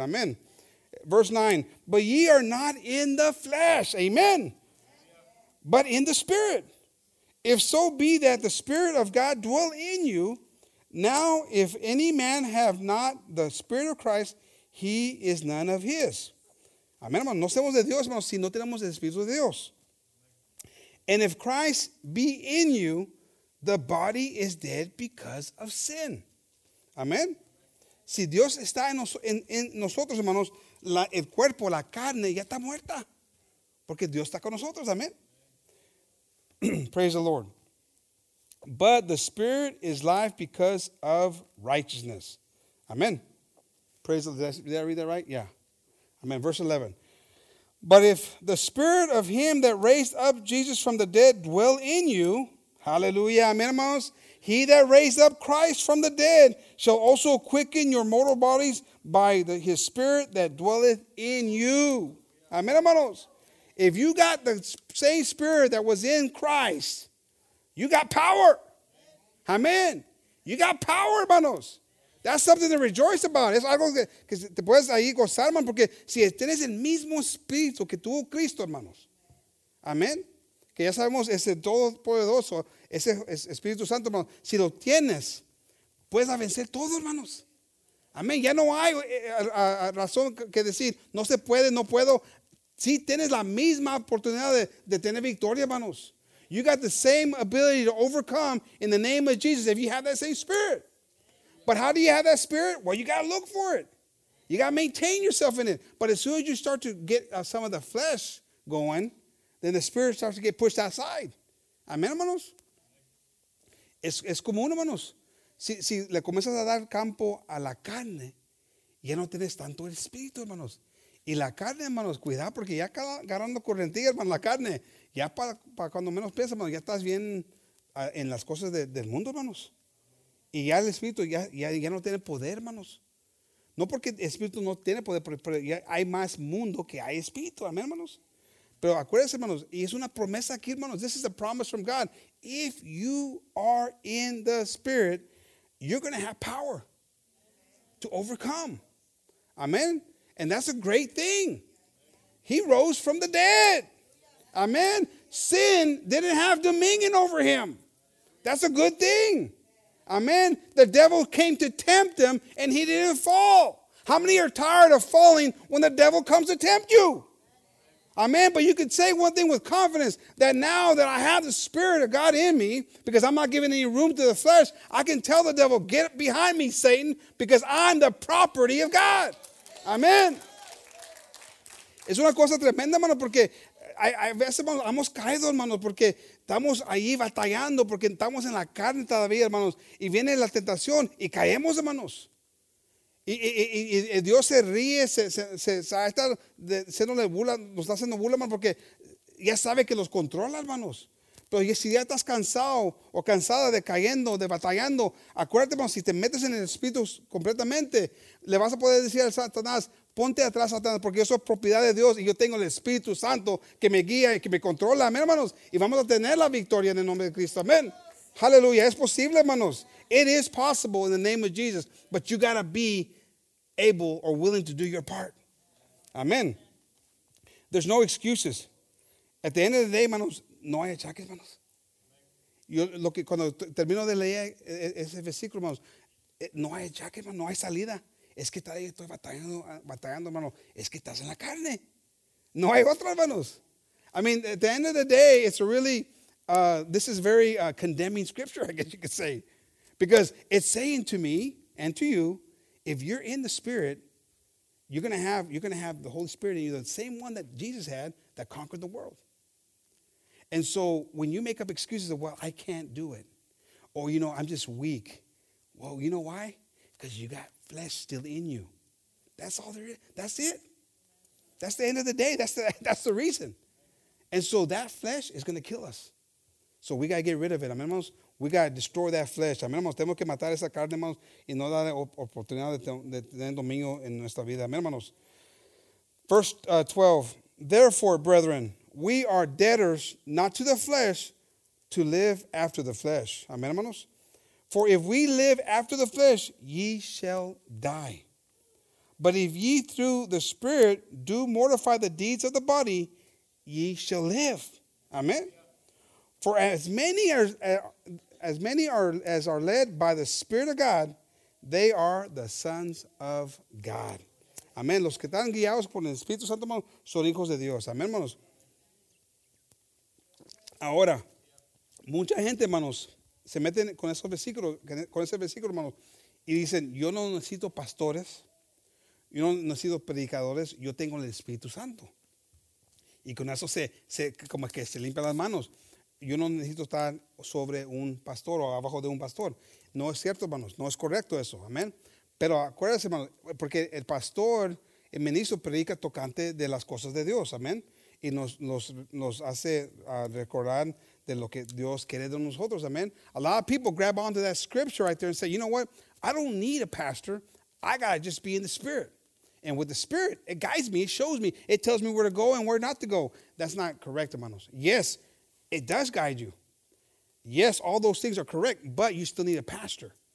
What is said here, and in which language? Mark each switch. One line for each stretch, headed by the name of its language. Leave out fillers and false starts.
English: Amen. Verse 9. But ye are not in the flesh. Amen. But in the spirit. If so be that the spirit of God dwell in you, now if any man have not the spirit of Christ, he is none of his.
Spanish: Amén, hermanos. No somos de Dios, hermanos, si no tenemos el Espíritu de Dios.
English: And if Christ be in you, the body is dead because of sin.
Spanish: Amén. Si Dios está en nosotros, hermanos, el cuerpo, la carne, ya está muerta. Porque Dios está con nosotros. Amén.
English: Praise the Lord. But the Spirit is life because of righteousness. Amen. Praise the Lord. Did I read that right? Yeah. Amen. Verse 11. But if the Spirit of him that raised up Jesus from the dead dwell in you, hallelujah, amen, hermanos, he that raised up Christ from the dead shall also quicken your mortal bodies by his Spirit that dwelleth in you. Amen, hermanos. If you got the same Spirit that was in Christ, you got power. Amen. You got power, hermanos. That's something to rejoice about.
Spanish: Es algo que te puedes ahí gozar, hermano, porque si tienes el mismo espíritu que tuvo Cristo, hermanos. Amén. Que ya sabemos, ese todopoderoso, ese Espíritu Santo, hermano, si lo tienes, puedes vencer todo, hermanos. Amén. Ya no hay razón que decir, no se puede, no puedo. Si tienes la misma oportunidad de tener victoria, hermanos.
English: You got the same ability to overcome in the name of Jesus if you have that same spirit. But how do you have that spirit? Well, you got to look for it. You got to maintain yourself in it. But as soon as you start to get some of the flesh going, then the spirit starts to get pushed outside.
Spanish: Amén, hermanos. Es común, hermanos. Si le comienzas a dar campo a la carne, ya no tienes tanto el espíritu, hermanos. Y la carne, hermanos, cuidado, porque ya cada agarrando correntilla, hermano, la carne, ya para cuando menos piensas, hermano, ya estás bien en las cosas del mundo, hermanos. Y ya el espíritu ya no tiene poder, hermanos. No porque el espíritu no tiene poder, pero ya hay más mundo que hay espíritu. Amén, hermanos. Pero acuérdense, hermanos, y es una promesa aquí, hermanos.
English: This is a promise from God. If you are in the spirit, you're going to have power to overcome. Amén. And that's a great thing. He rose from the dead. Amén. Sin didn't have dominion over him. That's a good thing. Amen. The devil came to tempt him and he didn't fall. How many are tired of falling when the devil comes to tempt you? Amen. But you can say one thing with confidence, that now that I have the Spirit of God in me, because I'm not giving any room to the flesh, I can tell the devil, get behind me, Satan, because I'm the property of God. Amen.
Spanish: Es una cosa tremenda, hermano, porque a veces, hermano, hemos caído, hermano, porque estamos ahí batallando, porque estamos en la carne todavía, hermanos, y viene la tentación y caemos, hermanos. Y Dios se ríe, se está haciéndole burla, nos está haciendo burla, hermano, porque ya sabe que los controla, hermanos. Pero si ya estás cansado o cansada de cayendo, de batallando, acuérdate, hermano, si te metes en el espíritu completamente, le vas a poder decir al Satanás, ponte atrás, Satanás, porque yo soy propiedad de Dios y yo tengo el Espíritu Santo que me guía y que me controla. Amén, hermanos. Y vamos a tener la victoria en el nombre de Cristo. Amén. Aleluya. Es posible, hermanos.
English: It is possible in the name of Jesus. But you got to be able or willing to do your part. Amén. There's no excuses. At the end of the day, hermanos,
Spanish: no hay achaques,
English: hermanos.
Spanish: Yo lo que cuando termino de leer ese versículo, hermanos, no hay achaques, hermanos, no hay salida. Es que estoy batallando, hermano. Es que estás en la carne. No hay otra, hermanos.
English: I mean, at the end of the day, it's really, this is very condemning scripture, I guess you could say. Because it's saying to me and to you, if you're in the Spirit, you're going to have the Holy Spirit in you, the same one that Jesus had that conquered the world. And so when you make up excuses of, well, I can't do it. Or, you know, I'm just weak. Well, you know why? Because you got flesh still in you. That's all there is. That's it. That's the end of the day. That's the reason. And so that flesh is going to kill us. So we got to get rid of it. Amen, hermanos. We got to destroy that flesh. Amen, hermanos.
Spanish: Tenemos que matar esa carne, hermanos, y no darle oportunidad de tener dominio en nuestra vida.
English: Amen, hermanos. Verse 12. Therefore, brethren, we are debtors not to the flesh to live after the flesh. Amen, hermanos. For if we live after the flesh, ye shall die. But if ye through the Spirit do mortify the deeds of the body, ye shall live. Amen. For as many are led by the Spirit of God, they are the sons of God. Amen.
Spanish: Los que están guiados por el Espíritu Santo, hermanos, son hijos de Dios. Amen, hermanos. Ahora, mucha gente, hermanos, se meten con esos versículos, con ese versículo, hermanos, y dicen, yo no necesito pastores, yo no necesito predicadores, yo tengo el Espíritu Santo. Y con eso se como que se limpian las manos. Yo no necesito estar sobre un pastor o abajo de un pastor. No es cierto, hermanos, no es correcto eso, amén. Pero acuérdense, hermanos, porque el pastor, el ministro, predica tocante de las cosas de Dios, amén. Y nos hace recordar de lo que Dios quiere de nosotros.
English: Amen. A lot of people grab onto that scripture right there and say, you know what? I don't need a pastor. I got to just be in the Spirit. And with the Spirit, it guides me. It shows me. It tells me where to go and where not to go. That's not correct, hermanos. Yes, it does guide you. Yes, all those things are correct. But you still need a pastor.